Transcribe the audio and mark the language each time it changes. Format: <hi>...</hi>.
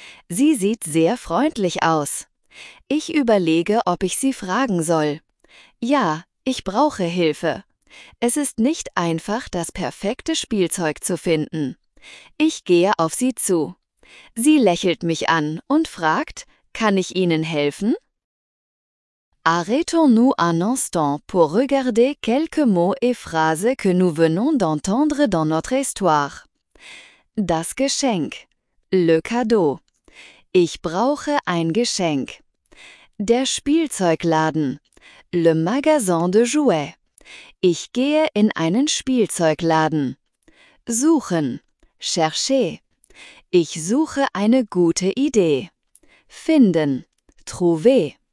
<de>Sie sieht sehr freundlich aus. Ich überlege, ob ich sie fragen soll. Ja, ich brauche Hilfe. Es ist nicht einfach, das perfekte Spielzeug zu finden. Ich gehe auf sie zu. Sie lächelt mich an und fragt, kann ich Ihnen helfen?</de> <fr>Arrêtons-nous un instant pour regarder quelques mots et phrases que nous venons d'entendre dans notre histoire.</fr> <de>Das Geschenk.</de> <fr>Le cadeau.</fr> <de>Ich brauche ein Geschenk. Der Spielzeugladen.</de> <fr>Le magasin de jouets.</fr> <de>Ich gehe in einen Spielzeugladen. Suchen.</de> <fr>Chercher.</fr> <de>Ich suche eine gute Idee. Finden.</de> <fr>Trouver.</fr>